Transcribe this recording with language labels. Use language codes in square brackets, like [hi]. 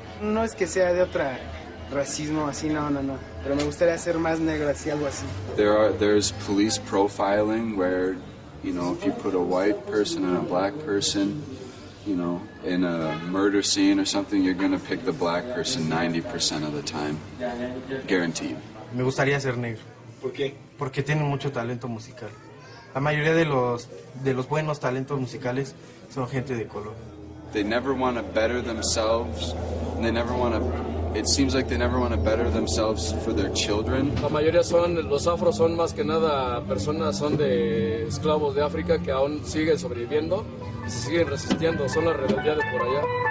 [es] No es que sea de otra racismo, así, no. Pero me gustaría ser más negro, así, algo así. [en] There's police profiling where, you know, if you put a white person and a black person, you know, in a murder scene or something, you're going to pick the black person 90% of the time. Guaranteed. [es] Me gustaría ser negro. ¿Por qué? Porque tienen mucho talento musical. La mayoría de los buenos talentos musicales son gente de color. [en] They never want to better themselves, and they never want to, it seems like they never want to better themselves for their children. [es] La mayoría son, los afros son más que nada personas, son de esclavos de África que aún siguen sobreviviendo, y se siguen resistiendo, son las rebeldías de por allá.